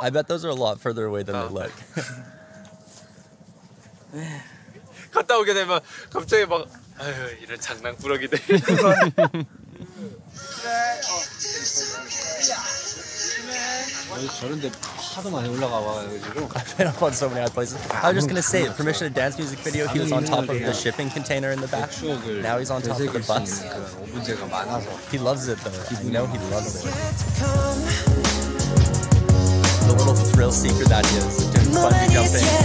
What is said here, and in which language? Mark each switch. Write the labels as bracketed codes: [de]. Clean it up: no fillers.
[en] I bet those are a lot further away than they look. [ko] 갔다 오게 되면 갑자기 막 아유 이런 장난꾸러기 돼. 저런데 하도 많이 올라가봐가지고. [en] I've been up on so many places. I was just gonna say, Permission to Dance music video. He was on top of the shipping container in the back. Now he's on top of the bus. He loves it though. You know he loves it. The little thrill seeker that he is doing bungee jumping.